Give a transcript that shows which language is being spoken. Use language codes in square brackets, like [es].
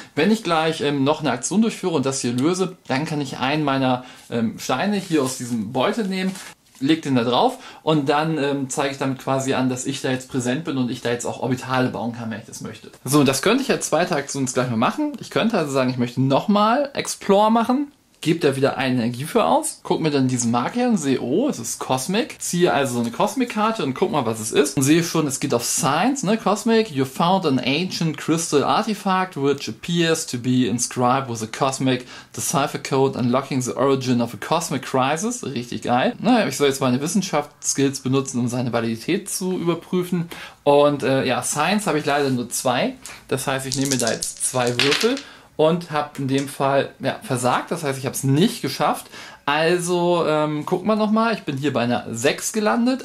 [de] Wenn ich gleich noch eine Aktion durchführe und das hier löse, dann kann ich einen meiner Steine hier aus diesem Beutel nehmen, leg den da drauf und dann zeige ich damit quasi an, dass ich da jetzt präsent bin und ich da jetzt auch Orbitale bauen kann, wenn ich das möchte. So, das könnte ich als zweite Aktion gleich mal machen. Ich könnte also sagen, ich möchte nochmal Explore machen, gebe da wieder eine Energie für aus, gucke mir dann diesen Marker her und sehe, oh, es ist Cosmic. Ziehe also so eine Cosmic-Karte und guck mal, was es ist. Und sehe schon, es geht auf Science, ne, Cosmic. [en] You found an ancient crystal artifact, which appears to be inscribed with a cosmic decipher code, unlocking the origin of a cosmic crisis. [de] Richtig geil. Naja, ich soll jetzt meine Wissenschaftsskills benutzen, um seine Validität zu überprüfen. Und ja, Science habe ich leider nur 2. Das heißt, ich nehme mir da jetzt 2 Würfel und habe in dem Fall ja, versagt. Das heißt, ich habe es nicht geschafft. Also gucken wir nochmal. Ich bin hier bei einer 6 gelandet.